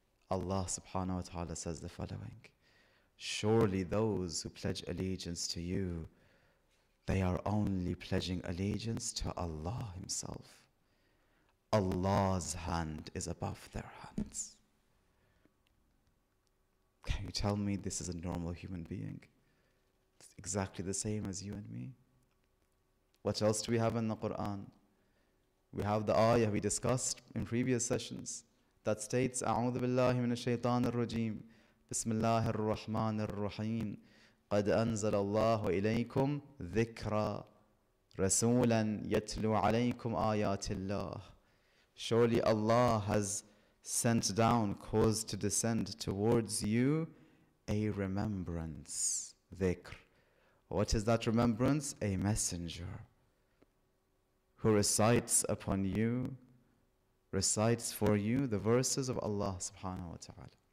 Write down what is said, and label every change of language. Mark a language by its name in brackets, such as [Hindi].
[English] Allah subhanahu wa ta'ala says the following, surely those who pledge allegiance to you, they are only pledging allegiance to Allah himself. Allah's hand is above their hands. Can you tell me this is a normal human being? It's exactly the same as you and me. What else do we have in the Quran? We have the ayah we discussed in previous sessions that states, [Arabic] أعوذ بالله من الشيطان الرجيم بسم الله الرحمن الرحيم قَدْ أَنزَلَ اللَّهُ إِلَيْكُمْ ذِكْرًا رَسُولًا يَتْلُو عَلَيْكُمْ آيَاتِ اللَّهِ. [English] Surely Allah has sent down, caused to descend towards you a remembrance, ذِكْر. What is that remembrance? A messenger who recites for you the verses of Allah subhanahu wa ta'ala.